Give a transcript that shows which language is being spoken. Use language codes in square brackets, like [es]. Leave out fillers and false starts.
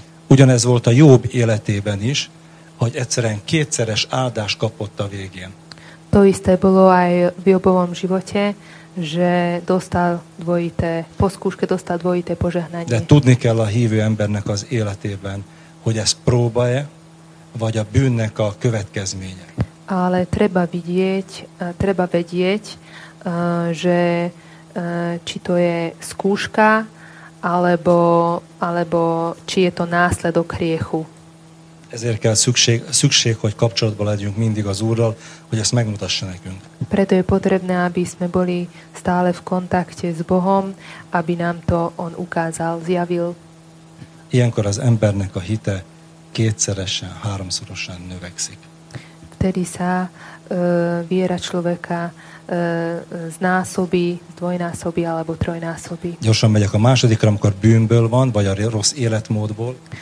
[hu] Ugyanez volt a Jobb életében is, hogy egyszerűen kétszeres áldás kapott a végén. [sk] To isté bolo aj v Jobovom živote, že dostal dvojité, po skúške dostal dvojité požehnanie. [hu] De tudni kell a hívő embernek az életében, hogy ez próbája, vagy a bűnnek a következménye. [sk] Ale treba vidieť, treba vedieť, že či to je skúška, alebo či je to následok hriechu. [hu] Ezért kell szükség, hogy kapcsolatban legyünk mindig az Úrral, hogy ezt megmutassa nekünk. [sk] Preto je potrebné, aby sme boli stále v kontakte s Bohom, aby nám to on ukázal, zjavil. [hu] Ilyenkor az embernek a hite kétszeresen, háromszorosan növekszik. [sk] Vtedy sa viera človeka znásobí, dvojnásobí alebo trojnásobí. [hu] Gyorsan megyek a másodikra, amikor bűnből van, vagy a rossz életmódból.